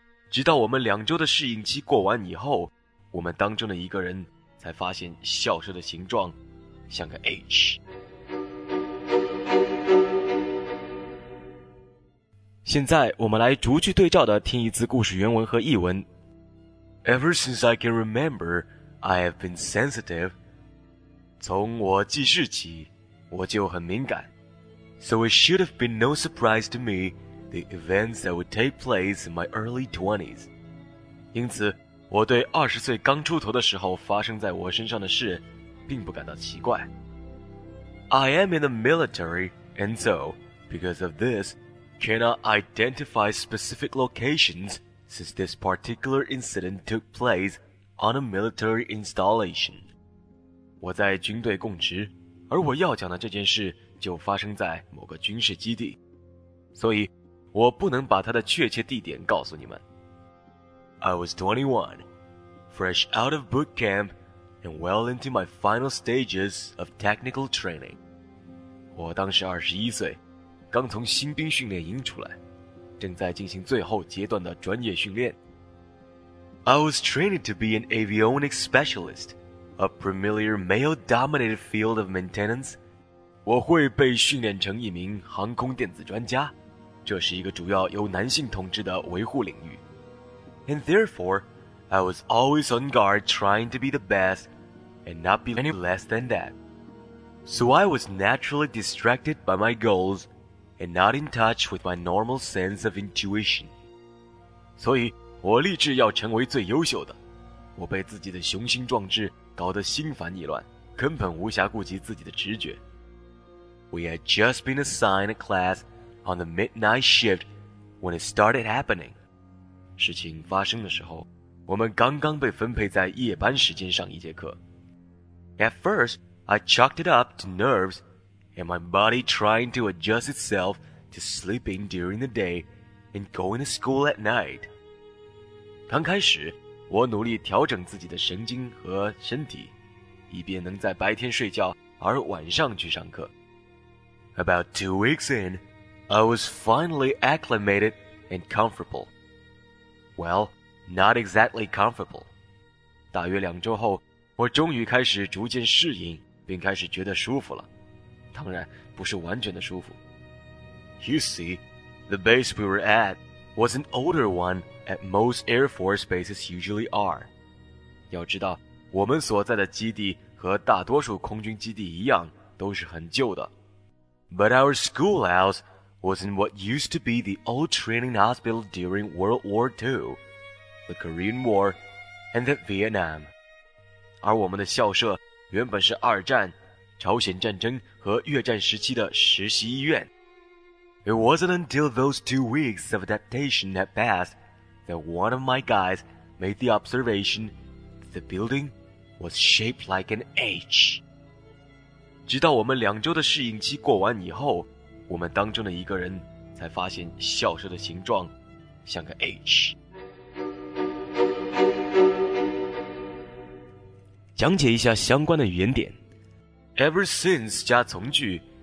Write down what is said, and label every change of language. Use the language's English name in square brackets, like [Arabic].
[Chinese] 直到我们2周的适应期过完以后，我们当中的一个人才发现校舍的形状像个 H。现在我们来逐句对照的听一次故事原文和译文。 [English] Ever since I can remember, I have been sensitive. [Chinese] 从我记事起，我就很敏感。 [English] So it should have been no surprise to me the events that would take place in my early 20s. [Chinese] 因此，我对20岁刚出头的时候发生在我身上的事并不感到奇怪。 [English] I am in the military, and so, because of this,cannot identify specific locations since this particular incident took place on a military installation. [Chinese] 我在军队供职，而我要讲的这件事就发生在某个军事基地，所以我不能把它的确切地点告诉你们。 [English] I was 21, fresh out of boot camp, and well into my final stages of technical training. [Chinese] 我当时21岁，刚从新兵训练营出来，正在进行最后阶段的专业训练。 [English] I was training to be an avionics specialist, a premier male-dominated field of maintenance. [Chinese] 我会被训练成一名航空电子专家，这是一个主要由男性统治的维护领域。 [English] And therefore, I was always on guard trying to be the best and not be any less than that. So I was naturally distracted by my goals and not in touch with my normal sense of intuition. [Chinese] 所以我立志要成为最优秀的，我被自己的雄心壮志搞得心烦意乱，根本无暇顾及自己的直觉。 [English] We had just been assigned a class on the midnight shift when it started happening. [Chinese] 事情发生的时候，我们刚刚被分配在夜班时间上一节课。 [English] At first, I chalked it up to nerves and my body trying to adjust itself to sleeping during the day and going to school at night. [Chinese] 刚开始我努力调整自己的神经和身体，以便能在白天睡觉而晚上去上课。 [English] About 2 weeks in, I was finally acclimated and comfortable. Well, not exactly comfortable. [Chinese] 大约2周后，我终于开始逐渐适应，并开始觉得舒服了，当然不是完全的舒服。 [English] You see, the base we were at was an older oneAt most Air Force bases usually are. [Chinese] 要知道，我们所在的基地和大多数空军基地一样，都是很旧的。 [English] But our schoolhouse was in what used to be the old training hospital during World War II, the Korean War, and then Vietnam. [Chinese] 而我们的校舍原本是二战、朝鲜战争和越战时期的实习医院。 [English] It wasn't until those 2 weeks of adaptation had passed. That one of my guys made the observation that the building was shaped like an H. [Chinese] 直到我们2周的适应期过完以后，我们当中的一个人才发现校舍的形状像个 H. 讲解一下相关的语言点。 [English] Ever since [Chinese] 加从句，